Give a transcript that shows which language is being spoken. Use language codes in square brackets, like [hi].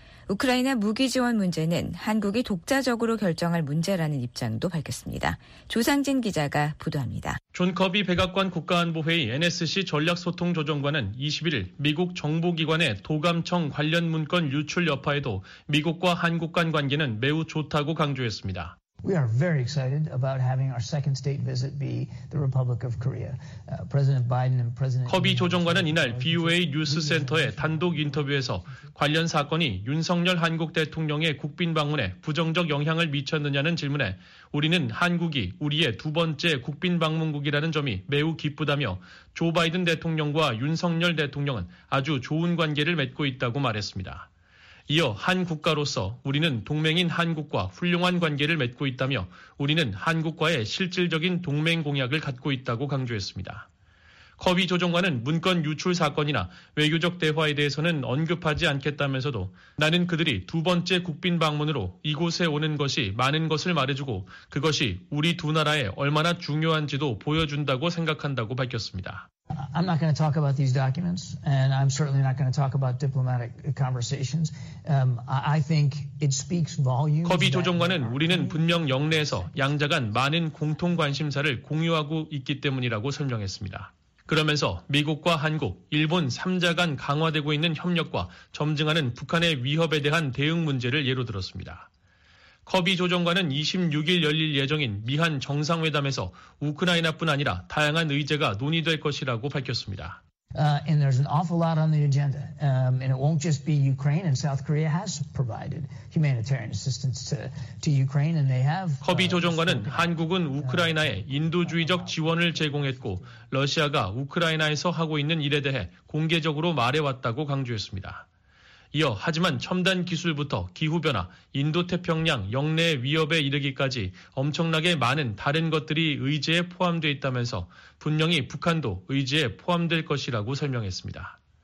[ko] 우크라이나 무기 지원 문제는 한국이 독자적으로 결정할 문제라는 입장도 밝혔습니다. 조상진 기자가 보도합니다. 존 커비 백악관 국가안보회의 NSC 전략소통조정관은 21일 미국 정보기관의 도감청 관련 문건 유출 여파에도 미국과 한국 간 관계는 매우 좋다고 강조했습니다. [en] We are very excited about having our second state visit be the Republic of Korea. President Biden and President [ko] 커비 조정관은 이날 VOA 뉴스 센터의 단독 인터뷰에서 관련 사건이 윤석열 한국 대통령의 국빈 방문에 부정적 영향을 미쳤느냐는 질문에 우리는 한국이 우리의 두 번째 국빈 방문국이라는 점이 매우 기쁘다며 조 바이든 대통령과 윤석열 대통령은 아주 좋은 관계를 맺고 있다고 말했습니다. 이어 한 국가로서 우리는 동맹인 한국과 훌륭한 관계를 맺고 있다며 우리는 한국과의 실질적인 동맹 공약을 갖고 있다고 강조했습니다. 커비 조정관은 문건 유출 사건이나 외교적 대화에 대해서는 언급하지 않겠다면서도 나는 그들이 두 번째 국빈 방문으로 이곳에 오는 것이 많은 것을 말해주고 그것이 우리 두 나라에 얼마나 중요한지도 보여준다고 생각한다고 밝혔습니다. [en] I'm not going to talk about these documents, and I'm certainly not going to talk about diplomatic conversations. I think it speaks volumes. [ko] 커비 조정관은 우리는 분명 영내에서 양자간 많은 공통 관심사를 공유하고 있기 때문이라고 설명했습니다. 그러면서 미국과 한국, 일본 3자간 강화되고 있는 협력과 점증하는 북한의 위협에 대한 대응 문제를 예로 들었습니다. 커비 조정관은 26일 열릴 예정인 미한 정상회담에서 우크라이나뿐 아니라 다양한 의제가 논의될 것이라고 밝혔습니다. [en] And there's an awful lot on the agenda. And it won't just be Ukraine. And South Korea has provided humanitarian assistance to Ukraine, and they have. [ko] 커비 조정관은 한국은 우크라이나에 인도주의적 지원을 제공했고, 러시아가 우크라이나에서 하고 있는 일에 대해 공개적으로 말해왔다고 강조했습니다. 이어 하지만 첨단 기술부터 기후변화, 인도태평양 영내 위협에 이르기까지 엄청나게 많은 다른 것들이 의제에 포함되어 있다면서 분명히 북한도 의제에 포함될 것이라고 설명했습니다.